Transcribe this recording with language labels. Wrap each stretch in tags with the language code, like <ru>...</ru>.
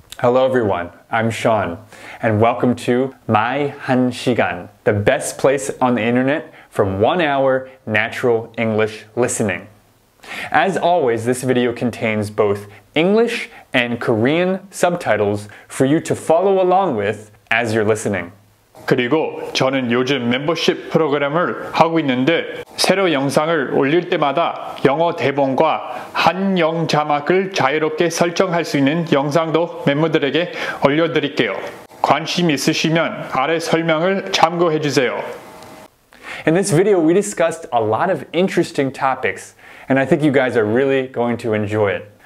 <en>Hello everyone, I'm Sean, and welcome to 마이1시간, the best place on the internet for 1 hour natural English listening. As always, this video contains both English and Korean subtitles for you to follow along with as you're listening.</en> <ko>그리고 저는 요즘 멤버십 프로그램을 하고 있는데 새로 영상을 올릴 때마다 영어 대본과 한영 자막을 자유롭게 설정할 수 있는 영상도 멤버들에게 올려드릴게요. 관심 있으시면 아래 설명을 참고해 주세요.</ko> <en>In this video, we discussed a lot of interesting topics, and I think you guys are really going to enjoy it.</en>